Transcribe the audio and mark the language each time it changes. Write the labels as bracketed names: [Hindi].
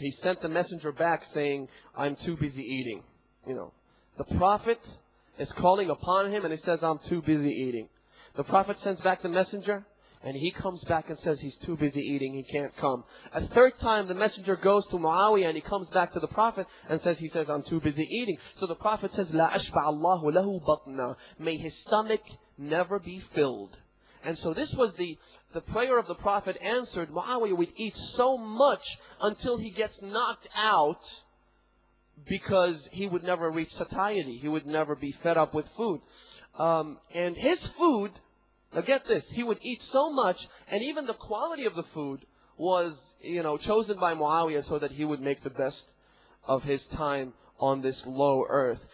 [English] He sent the messenger back saying, I'm too busy eating. You know, the Prophet is calling upon him and he says, I'm too busy eating. The Prophet sends back the messenger, and he comes back and says he's too busy eating, he can't come. A third time, the messenger goes to Muawiyah and he comes back to the Prophet and says, I'm too busy eating. [Arabic] So the Prophet says, لَا أَشْبَعَ اللَّهُ لَهُ بَطْنَا. [English] May his stomach never be filled. And so this was the prayer of the Prophet answered. Muawiyah would eat so much until he gets knocked out because he would never reach satiety. He would never be fed up with food. And his food, now get this, he would eat so much, and even the quality of the food was, you know, chosen by Muawiyah so that he would make the best of his time on this low earth.